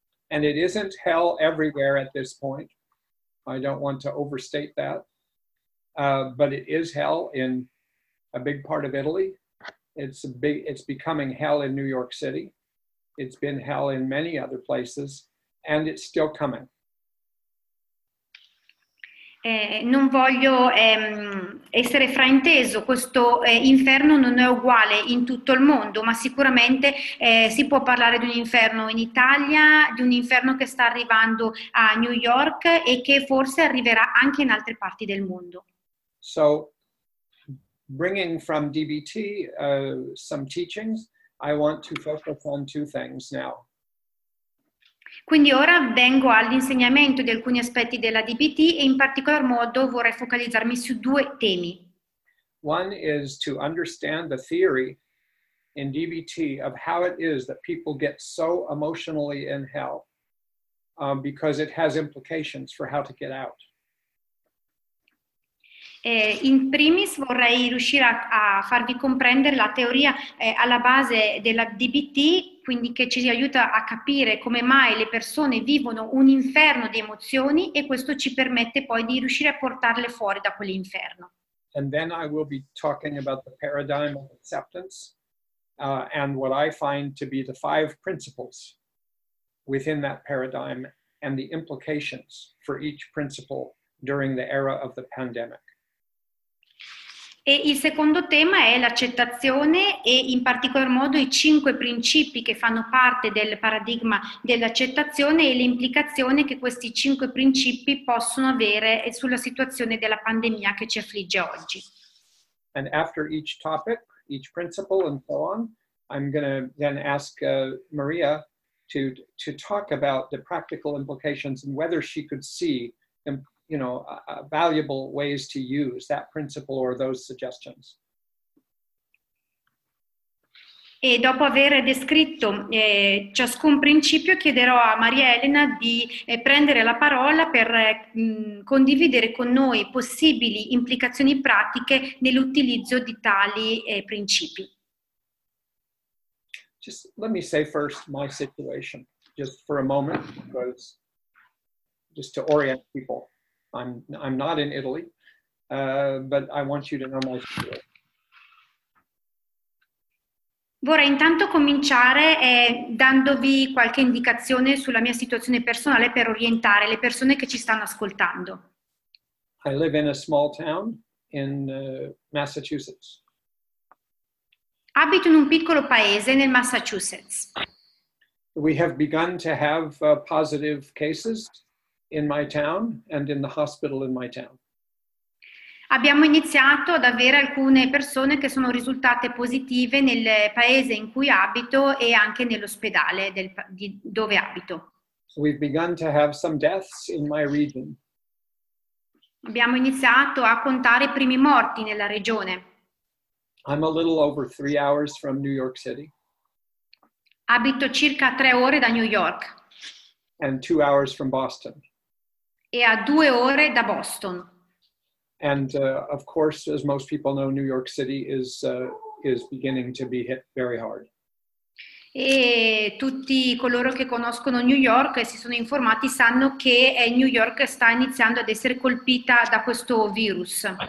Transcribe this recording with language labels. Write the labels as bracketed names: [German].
[English] And it isn't hell everywhere at this point. I don't want to overstate that. But it is hell in a big part of Italy. It's becoming hell in New York City. It's been hell in many other places, and it's still coming. [Italian] Non voglio essere frainteso, questo inferno non è uguale in tutto il mondo, ma sicuramente si può parlare di un inferno in Italia, di un inferno che sta arrivando a New York e che forse arriverà anche in altre parti del mondo. [English] So, bringing from DBT some teachings, I want to focus on two things now. [Italian] Quindi ora vengo all'insegnamento di alcuni aspetti della DBT e in particolar modo vorrei focalizzarmi su due temi. [English] One is to understand the theory in DBT of how it is that people get so emotionally in hell, because it has implications for how to get out. [Italian] In primis vorrei riuscire a farvi comprendere la teoria alla base della DBT, quindi che ci aiuta a capire come mai le persone vivono un inferno di emozioni e questo ci permette poi di riuscire a portarle fuori da quell'inferno. [English] And then I will be talking about the paradigm of acceptance and what I find to be the five principles within that paradigm and the implications for each principle during the era of the pandemic. [Italian] E il secondo tema è l'accettazione e in particolar modo i cinque principi che fanno parte del paradigma dell'accettazione e l'implicazione che questi cinque principi possono avere sulla situazione della pandemia che ci affligge oggi. [English] And after each topic, each principle and so on, I'm going to then ask Maria to talk about the practical implications and whether she could see them. You know, valuable ways to use that principle or those suggestions. [Italian] E dopo aver descritto ciascun principio, chiederò a Maria Elena di prendere la parola per condividere con noi possibili implicazioni pratiche nell'utilizzo di tali principi. [English] Just let me say first my situation, just for a moment, because just to orient people. I'm not in Italy, but I want you to know my story. [Italian] Vorrei intanto cominciare dandovi qualche indicazione sulla mia situazione personale per orientare le persone che ci stanno ascoltando. [English] I live in a small town in Massachusetts. [Italian] Abito in un piccolo paese nel Massachusetts. [English] We have begun to have positive cases in my town and in the hospital in my town. [Italian] Abbiamo iniziato ad avere alcune persone che sono risultate positive nel paese in cui abito e anche nell'ospedale di dove abito. [English] We've begun to have some deaths in my region. [Italian] Abbiamo iniziato a contare i primi morti nella regione. [English] I'm a little over 3 hours from New York City. [Italian] Abito circa 3 ore da New York. [English] And 2 hours from Boston. [Italian] E a 2 ore da Boston. [English] And of course, as most people know, New York City is beginning to be hit very hard. [Italian] E tutti coloro che conoscono New York e si sono informati sanno che New York sta iniziando ad essere colpita da questo virus.